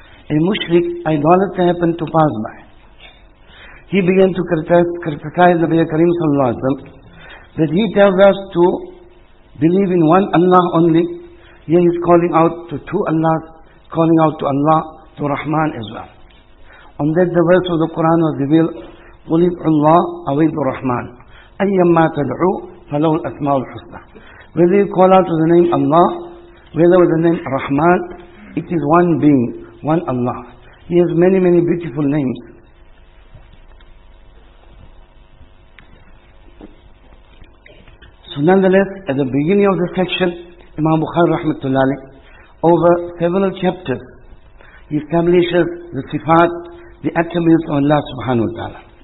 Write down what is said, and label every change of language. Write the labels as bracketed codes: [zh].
[en] A mushrik, idolatry happened to pass by. He began to criticize Nabi Kareem Sallallahu Alaihi Wasallam that he tells us to believe in one Allah only. Here he is calling out to two Allahs, calling out to Allah, to Rahman as well. On that the verse of the Quran was revealed, [ar] قُلِ ادْعُوا اللَّهَ وَادْعُوا الرَّحْمَنَ أَيَّمَّا تَدْعُوا فَلَهُ الْأَسْمَاءُ الْحُسْنَى. [en] Whether you call out to the name Allah, whether with the name Rahman, it is one being, one Allah. He has many, many beautiful names. So nonetheless, at the beginning of the section, Imam Bukhari rahmatullahi, over several chapters, he establishes the sifat, the attributes of Allah subhanahu wa ta'ala.